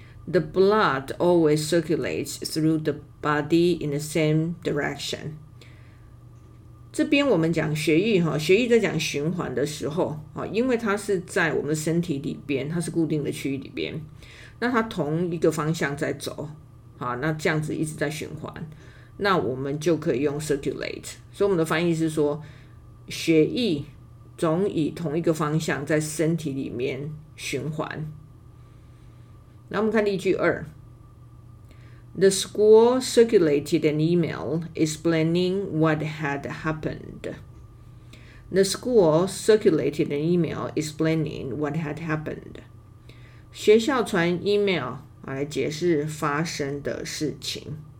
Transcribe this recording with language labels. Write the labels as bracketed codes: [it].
[en] The blood always circulates through the body in the same direction. [zh] 这边我们讲血液，血液在讲循环的时候，因为它是在我们身体里边，它是固定的区域里边，那它同一个方向在走，那这样子一直在循环，那我们就可以用 circulate。所以我们的翻译是说，血液总以同一个方向在身体里面循环。那我们看例句二， [en] The school circulated an email explaining what had happened. The school circulated an email explaining what had happened. [zh] 学校传 email 来解释发生的事情。